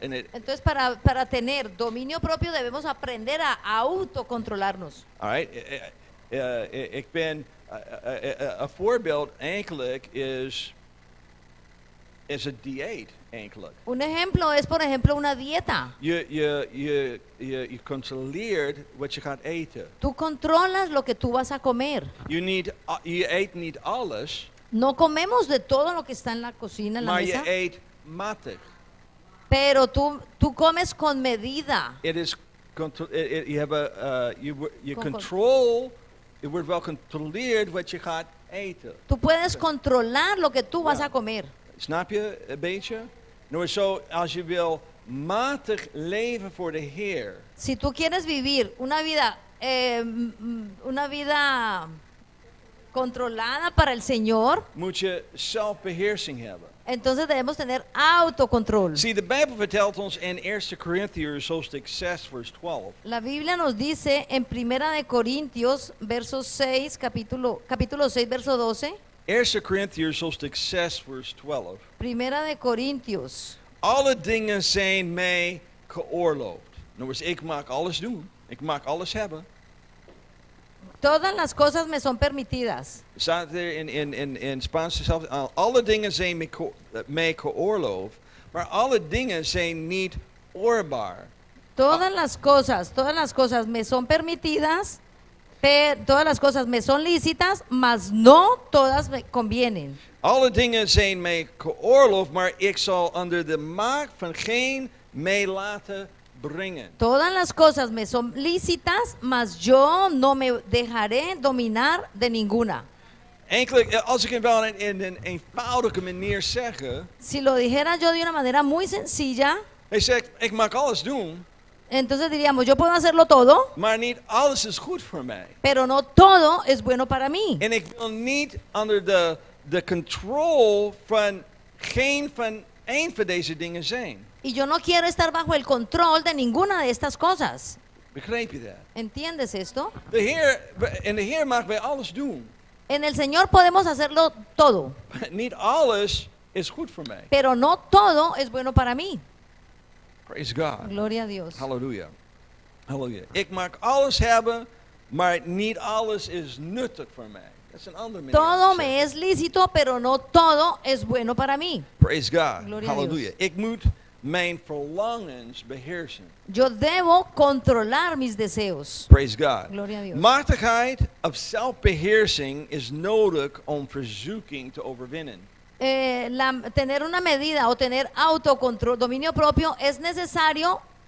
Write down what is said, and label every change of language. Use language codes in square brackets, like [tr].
[es] Entonces para tener dominio propio debemos aprender a autocontrolarnos. [en] All right. [nl] Ik ben een voorbeeld eigenlijk is een dieet eigenlijk. [es] Un ejemplo es por ejemplo una dieta. [nl] Je controleert wat je gaat eten. [es] Tú controlas lo que tú vas a comer. [nl] Je eet niet alles. [es] No comemos de todo lo que está en la cocina, en la mesa. [nl] Maar je eet matig. [es] Pero tú comes con medida. [en] It is you have a you control. [nl] Het wordt wel gecontroleerd wat je gaat eten. [es] Tú puedes controlar lo que tú vas a comer. [nl] Snap je een beetje? Nou, zo als je wil matig leven voor de Heer. [es] Si tú quieres vivir una vida controlada para el Señor. [nl] Moet je zelfbeheersing hebben. [es] Entonces debemos tener autocontrol. [en] See, the Bible [nl] vertelt ons in 1 Corinthians hoofdstuk 6 vers 12. [es] La Biblia nos dice en Primera de Corintios verso 6 capítulo 6 verso 12. [nl] 1 Corinthians hoofdstuk 6 vers 12. [es] Primera de Corintios. [nl] Alle dingen zijn mij geoorloofd. [en] In other words, [nl] ik mag alles doen. Ik mag alles hebben. [es] Todas las cosas me son permitidas. [nl] Staat er in Spaans zelf. Alle dingen zijn mij geoorloofd, maar alle dingen zijn niet oorbaar. [es] Todas las cosas me son permitidas, todas las cosas me son lícitas, mas no todas me convienen. [nl] Alle dingen zijn mij geoorloofd, maar ik zal onder de maak van geen mij laten brengen. [es] Todas las cosas me son lícitas, mas yo no me dejaré dominar de ninguna. [nl] Enkele, als ik het wel in een eenvoudige manier zeg. [es] Si lo dijera yo de una manera muy sencilla. [nl] Hij zegt, ik mag alles doen. [es] Entonces diríamos, yo puedo hacerlo todo. [nl] Maar niet alles is goed voor mij. [es] Pero no todo es bueno para mí. [nl] En ik wil niet onder de control van geen van één van deze dingen zijn. [es] Y yo no quiero estar bajo el control de ninguna de estas cosas. [nl] Begrijp je dat? [es] ¿Entiendes esto? [nl] De Heer, en de Heer mag wij alles doen. [es] En el Señor podemos hacerlo todo. [nl] Niet alles is goed voor mij. [es] Pero no todo es bueno para mí. [en] Praise God. [es] Gloria a Dios. [nl] Halleluja. Halleluja. Ik mag alles hebben, maar niet alles is nuttig voor mij. [en] That's an other meaning. [es] Todo me es lícito, pero no todo es bueno para mí. [en] Praise God. [es] Gloria [nl] Halleluja. [es] A Dios. [nl] Ik moet mijn verlangens beheersen. [es] Yo debo controlar mis deseos. [en] Praise God. [es] Gloria a Dios. [nl] Machtigheid of zelfbeheersing is nodig om verzoeking te overwinnen. [es] Tener una medida o tener autocontrol, dominio propio, es necesario.